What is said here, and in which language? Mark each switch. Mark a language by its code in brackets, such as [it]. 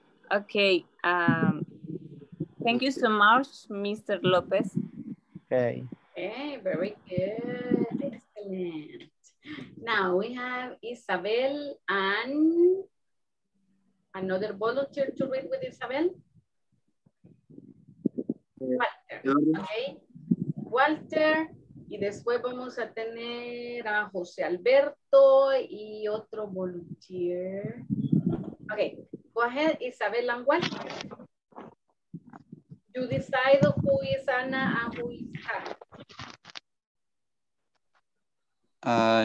[en] Okay, thank you so much, Mr. Lopez. Okay. Okay, very good. Excellent. Now we have Isabel and another volunteer to read with Isabel. [es] Walter, y después vamos a tener a José Alberto y otro volunteer. [en] Okay, go ahead, Isabel and Walter. You decide who is Anna and who is Anna.